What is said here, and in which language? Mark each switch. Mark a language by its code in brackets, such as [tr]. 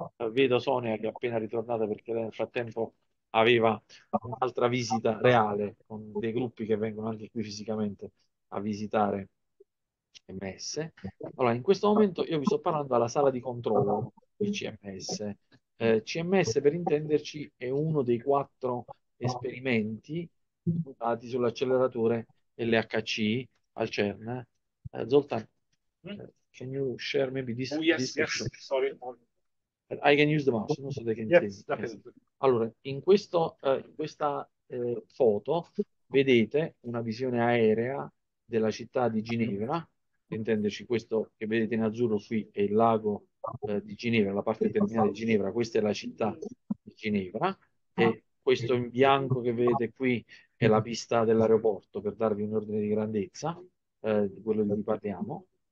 [it] Vedo Sonia che è appena ritornata perché nel frattempo aveva un'altra visita reale con dei gruppi che vengono anche qui fisicamente a visitare MS. Allora, in questo momento io vi sto parlando alla sala di controllo di CMS. CMS, per intenderci, è uno dei quattro esperimenti puntati sull'acceleratore LHC al CERN. [en] Zoltan, can you share maybe Oh, this picture? sorry. I can use the mouse, [it] non so se [en] they can see. Yes. Yes, definitely. [it] Allora, in questa foto vedete una visione aerea della città di Ginevra. Per intenderci, questo che vedete in azzurro qui è il lago di Ginevra, la parte terminale di Ginevra. Questa è la città di Ginevra e questo in bianco che vedete qui è la pista dell'aeroporto, per darvi un ordine di grandezza di quello di cui parliamo.